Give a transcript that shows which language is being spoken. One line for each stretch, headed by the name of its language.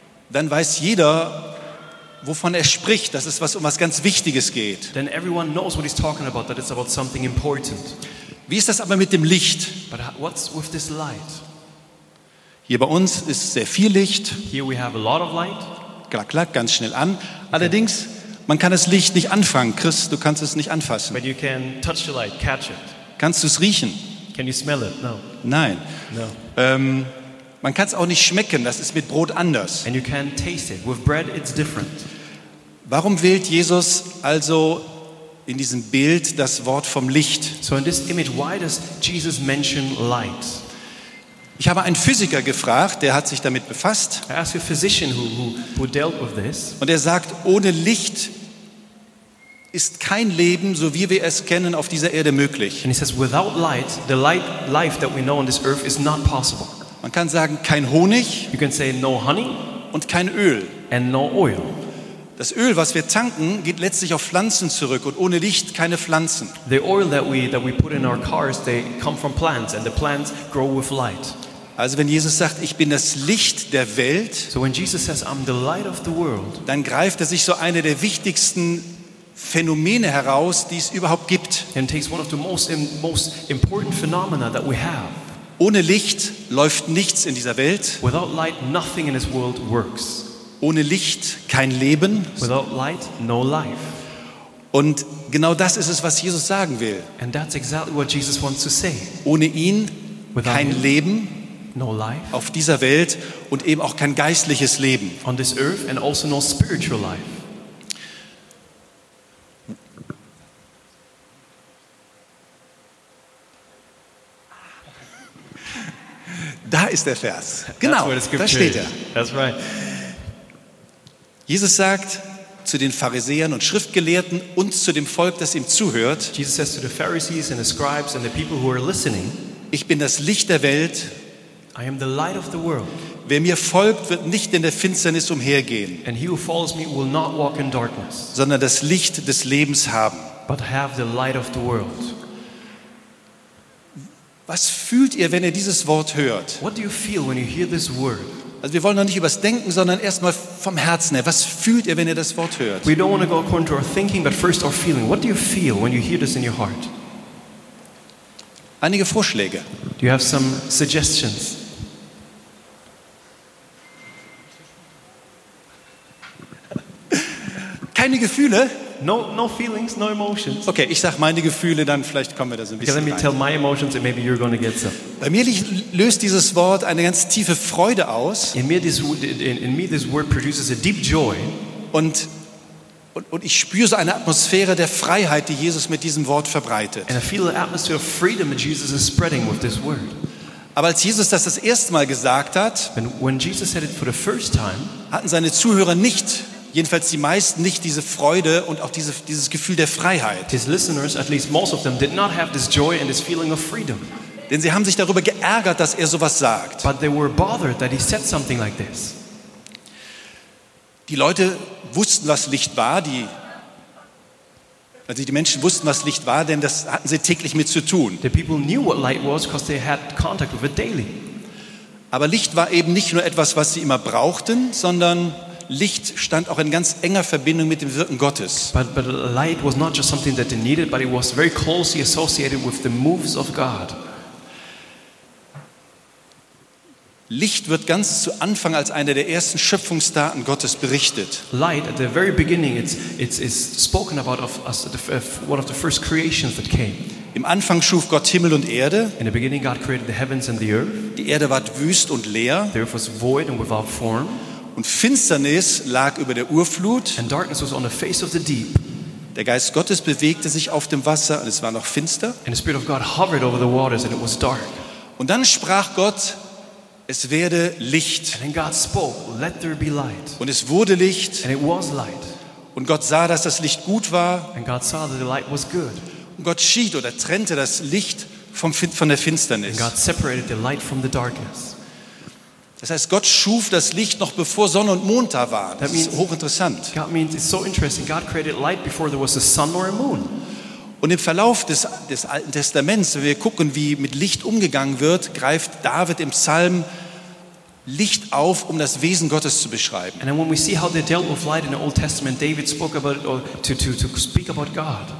German: dann weiß jeder, wovon er spricht, dass es was um was ganz Wichtiges geht.
English: Then everyone knows what he's talking about, that it's about something important.
German: Wie ist das aber mit dem Licht?
English: But what's with this light?
German: Hier bei uns ist sehr viel Licht.
English: Here we have a lot of light.
German: Klack, klack, ganz schnell an. Allerdings, man kann das Licht nicht anfangen. Chris, du kannst es nicht anfassen.
English: But you can touch the light, catch it.
German: Kannst du es riechen?
English: Can you smell it? No.
German: Nein.
English: No.
German: Man kann es auch nicht schmecken, das ist mit Brot anders.
English: And you can taste it. With bread, it's different.
German: Warum wählt Jesus also in diesem Bild das Wort vom Licht?
English: So in this image, why does Jesus mention light?
German: Ich habe einen Physiker gefragt, der hat sich damit befasst.
English: I asked a physician who dealt with this.
German: Und er sagt, ohne Licht ist kein Leben, so wie wir es kennen, auf dieser Erde möglich.
English: And he says, without light, the light life that we know on this earth is not possible.
German: Man kann sagen, kein Honig.
English: You can say no honey.
German: Und kein Öl.
English: And no oil.
German: Das Öl, was wir tanken, geht letztlich auf Pflanzen zurück. Und ohne Licht keine Pflanzen.
English: The oil that we put in our cars, they come from plants. And the plants grow with light.
German: Also wenn Jesus sagt, ich bin das Licht der Welt.
English: So when Jesus says, I'm the light of the world.
German: Dann greift er sich so eine der wichtigsten Phänomene heraus, die es überhaupt gibt.
English: And takes one of the most important phenomena that we have.
German: Ohne Licht läuft nichts in dieser Welt.
English: Without light, nothing in this world works.
German: Ohne Licht kein Leben.
English: Without light, no life.
German: Und genau das ist es, was Jesus sagen will.
English: And that's exactly what Jesus wants to say.
German: Ohne ihn
English: without
German: kein Leben,
English: no life.
German: Auf dieser Welt und eben auch kein geistliches Leben.
English: On this earth and also no spiritual life.
German: Da ist der Vers. Genau, da steht er.
English: That's right.
German: Jesus sagt zu den Pharisäern und Schriftgelehrten und zu dem Volk, das ihm zuhört.
English: Jesus says to the Pharisees and the scribes and the people who are listening.
German: Ich bin das Licht der Welt.
English: I am the light of the world.
German: Wer mir folgt, wird nicht in der Finsternis umhergehen.
English: And he who follows me will not walk in darkness.
German: Sondern das Licht des Lebens haben.
English: But have the light of the world.
German: Was fühlt ihr, wenn ihr dieses Wort hört?
English: What do you feel when you hear this word?
German: Also wir wollen noch nicht übers Denken, sondern erstmal vom Herzen her. Was fühlt ihr, wenn ihr das Wort hört?
English: We don't want to go according to our thinking, but first our feeling. What do you feel when you hear this in your heart?
German: Einige Vorschläge.
English: Do you have some suggestions?
German: Keine Gefühle?
English: No feelings, no emotions.
German: Okay, ich sag meine Gefühle, dann vielleicht kommen wir da so ein bisschen rein.
English: Let me tell my emotions and maybe you're going to get some.
German: Bei mir löst dieses Wort eine ganz tiefe Freude aus.
English: In me this word produces a deep joy.
German: Und ich spüre so eine Atmosphäre der Freiheit, die Jesus mit diesem Wort verbreitet.
English: And I feel an atmosphere of freedom that Jesus is spreading with this word.
German: Aber als Jesus das erste Mal gesagt hat,
English: when Jesus said it for the first time,
German: hatten seine Zuhörer nicht, jedenfalls die meisten, nicht diese Freude und auch dieses Gefühl der Freiheit.
English: His listeners, at least most of them, did not have this joy and this feeling of freedom.
German: Denn sie haben sich darüber geärgert, dass er sowas sagt.
English: But they were bothered that he said something like this.
German: Die Leute wussten, was Licht war. Die Menschen wussten, was Licht war, denn das hatten sie täglich mit zu tun.
English: The people knew what light was because they had contact with it daily.
German: Aber Licht war eben nicht nur etwas, was sie immer brauchten, sondern Licht stand auch in ganz enger Verbindung mit dem Wirken Gottes.
English: But light was not just something that they needed, but it was very closely associated with the moves of God.
German: Licht wird ganz zu Anfang als einer der ersten Schöpfungsdaten Gottes berichtet.
English: Light at the very beginning it's spoken about of as one of the first creations that came.
German: Im Anfang schuf Gott Himmel und Erde.
English: In the beginning God created the heavens and the earth.
German: Die Erde ward wüst und leer.
English: The earth was void and without form.
German: Und Finsternis lag über der Urflut.
English: And darkness was on the face of the deep.
German: Der Geist Gottes bewegte sich auf dem Wasser und es war noch finster.
English: And the Spirit of God hovered over the waters and it was dark.
German: Und dann sprach Gott, es werde Licht.
English: And then God spoke, let there be light.
German: Und es wurde Licht.
English: And it was light.
German: Und Gott sah, dass das Licht gut war.
English: And God saw that the light was good.
German: Und Gott schied oder trennte das Licht von der Finsternis.
English: And God separated the light from the darkness.
German: Das heißt, Gott schuf das Licht noch bevor Sonne und Mond da waren. Das ist hochinteressant.
English: God means it's so interesting. God created light before there was a sun or a moon.
German: Und im Verlauf des Alten Testaments, wenn wir gucken, wie mit Licht umgegangen wird, greift David im Psalm Licht auf, um das Wesen Gottes zu beschreiben.
English: And when we see how they dealt with light in the Old Testament, David spoke about it, or to speak about God.